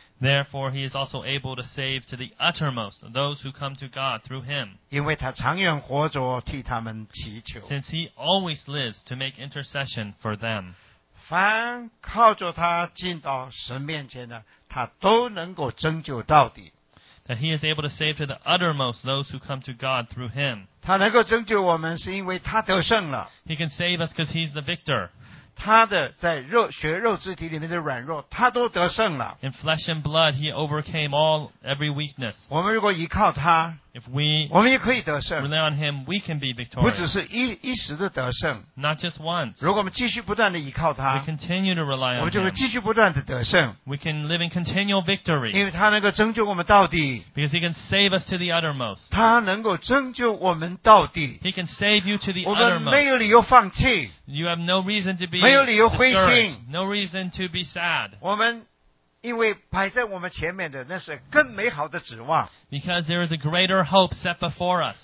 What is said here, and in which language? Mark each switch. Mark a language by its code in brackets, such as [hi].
[en] Therefore, he is also able to save to the uttermost those who come to God through him. [zh] 因为他常愿活着替他们祈求。 [en] Since he always lives to make intercession for them. [zh] 凡靠着他进到神面前的他都能够拯救到底。 [en] That he is able to save to the uttermost those who come to God through him. [zh] 他能够拯救我们是因为他得胜了。 [en] He can save us because he's the victor. [zh] 他的在肉血肉肢体里面的软弱他都得胜了。 [en] In flesh and blood, he overcame all every weakness. [zh] 我们如果依靠他 [en] if we, [zh] 我们也可以得胜。 [en] Rely on him, we can be victorious. [zh] 不只是 一时的得胜。 [en] Not just once. [zh] 如果我们继续不断地依靠他 [en] we continue to rely on him. [zh] 我们就会继续不断地得胜。 [en] We can live in continual victory. [zh] 因为他能够拯救我们到底。 [en] Because he can save us to the uttermost. [zh] 他能够拯救我们到底。 [en] He can save you to the uttermost. [zh] 我们没有理由放弃。 [en] You have no reason to be [zh] 没有理由灰心。 [en] No reason to be sad. [zh] 我们因为摆在我们前面的那是更美好的指望。 [en] Because there is a greater hope set before us.